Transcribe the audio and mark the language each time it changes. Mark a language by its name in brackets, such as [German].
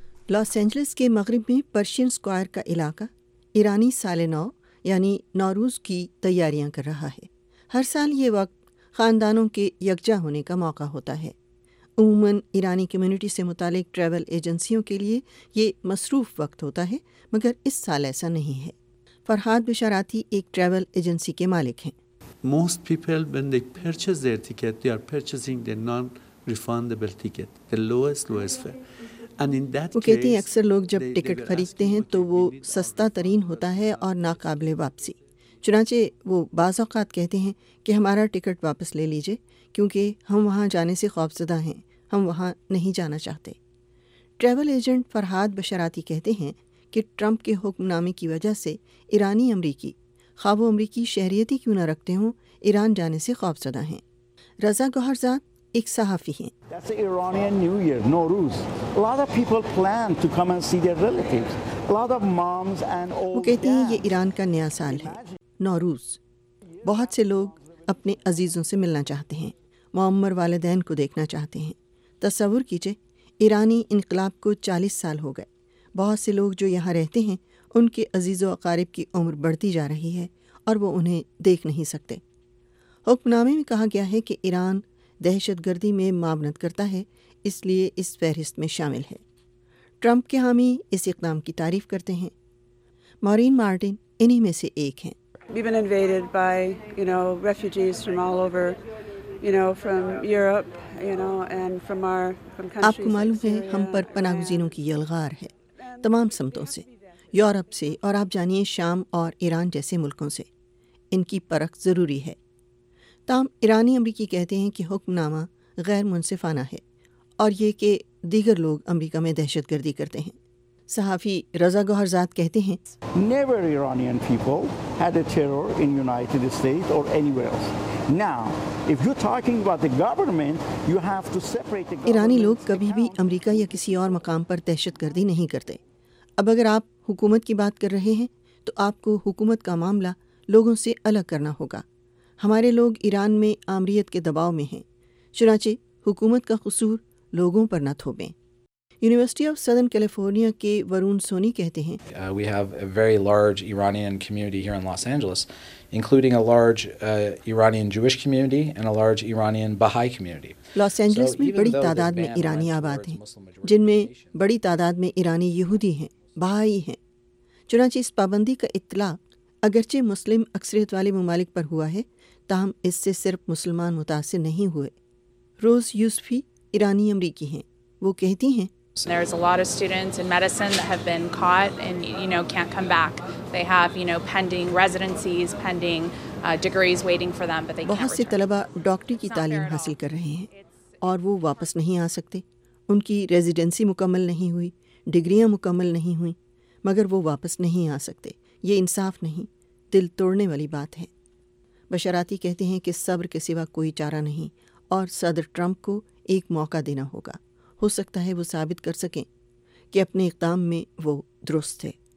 [Urdu] لاس اینجلیس کے مغرب میں پرشین اسکوائر کا علاقہ ایرانی سال نو یعنی نوروز کی تیاریاں کر رہا ہے۔ ہر سال یہ وقت خاندانوں کے یکجا ہونے کا موقع ہوتا ہے۔ عموماً ایرانی کمیونٹی سے متعلق ٹریول ایجنسیوں کے لیے یہ مصروف وقت ہوتا ہے، مگر اس سال ایسا نہیں ہے۔ فرحاد بشاراتی ایک ٹریول ایجنسی کے مالک ہیں۔ [English] Most people when they purchase their ticket they are purchasing the non refundable ticket the lowest fare. [Urdu] وہ کہتے ہیں اکثر لوگ جب ٹکٹ خریدتے ہیں تو وہ سستا ترین ہوتا ہے اور ناقابل واپسی، چنانچہ وہ بعض اوقات کہتے ہیں کہ ہمارا ٹکٹ واپس لے لیجئے کیونکہ ہم وہاں جانے سے خوفزدہ ہیں، ہم وہاں نہیں جانا چاہتے۔ ٹریول ایجنٹ فرحاد بشاراتی کہتے ہیں کہ ٹرمپ کے حکم نامے کی وجہ سے ایرانی امریکی، خواہ وہ امریکی شہریتی کیوں نہ رکھتے ہوں، ایران جانے سے خوفزدہ ہیں۔ رضا گوہرزاد ایک صحافی ہیں۔ [English] That's the Iranian New Year, Nowruz. A lot of people plan to come and see their relatives. A lot of moms and old [Urdu] وہ کہتے ہیں یہ ایران کا نیا سال ہے، نوروز۔ بہت سے لوگ اپنے عزیزوں سے ملنا چاہتے ہیں، معمر والدین کو دیکھنا چاہتے ہیں۔ تصور کیجئے ایرانی انقلاب کو 40 سال ہو گئے، بہت سے لوگ جو یہاں رہتے ہیں ان کے عزیز و اقارب کی عمر بڑھتی جا رہی ہے اور وہ انہیں دیکھ نہیں سکتے۔ حکم نامے میں کہا گیا ہے کہ ایران دہشت گردی میں معاونت کرتا ہے، اس لیے اس فہرست میں شامل ہے۔ ٹرمپ کے حامی اس اقدام کی تعریف کرتے ہیں۔ مارین مارٹن انہی میں سے ایک ہیں۔ [English] We've been invaded by, you know, refugees from all over, you know, from Europe, you know, and from our from countries. [Urdu] آپ کو معلوم ہے ہم پر پناہ گزینوں کی یلغار ہے تمام سمتوں سے، یورپ سے اور آپ جانیے شام اور ایران جیسے ملکوں سے، ان کی پرکھ ضروری ہے۔ تاہم ایرانی امریکی کہتے ہیں کہ حکم نامہ غیر منصفانہ ہے اور یہ کہ دیگر لوگ امریکہ میں دہشت گردی کرتے ہیں۔ صحافی رضا گوہرزاد کہتے ہیں [English] Never Iranian people had a terror in United States or anywhere else. Now, if you're talking about the government, you have to separate the government. [Urdu] ایرانی لوگ کبھی بھی امریکہ یا کسی اور مقام پر دہشت گردی نہیں کرتے۔ اب اگر آپ حکومت کی بات کر رہے ہیں تو آپ کو حکومت کا معاملہ لوگوں سے الگ کرنا ہوگا۔ ہمارے لوگ ایران میں آمریت کے دباؤ میں ہیں، چنانچہ حکومت کا قصور لوگوں پر نہ تھوپیں۔ یونیورسٹی آف سدرن کیلیفورنیا کے ورون سونی کہتے ہیں [English] We have a very large Iranian community here in Los Angeles, including a large Iranian Jewish community and a large Iranian Baha'i community. [Urdu] Los Angeles میں بڑی تعداد میں ایرانی آباد ہیں، جن میں بڑی تعداد میں ایرانی یہودی ہیں، بہائی ہیں۔ چنانچہ اس پابندی کا اطلاق اگرچہ مسلم اکثریت والے ممالک پر ہوا ہے، تاہم اس سے صرف مسلمان متاثر نہیں ہوئے۔ روز یوسفی ایرانی امریکی ہیں، وہ کہتی ہیں [English] There is a lot of students in medicine that have been caught and you know can't come back. They have, you know, pending residencies, pending degrees waiting for them, but they can't return. [Urdu] بہت سے طلبہ ڈاکٹری کی تعلیم حاصل کر رہے ہیں اور وہ واپس نہیں آ سکتے، ان کی ریزیڈنسی مکمل نہیں ہوئی، ڈگریاں مکمل نہیں ہوئیں، مگر وہ واپس نہیں آ سکتے۔ یہ انصاف نہیں، دل توڑنے والی بات ہے۔ بشاراتی کہتے ہیں کہ صبر کے سوا کوئی چارہ نہیں اور صدر ٹرمپ کو ایک موقع دینا ہوگا, ہو سکتا ہے وہ ثابت کر سکیں کہ اپنے اقدام میں وہ درست تھے.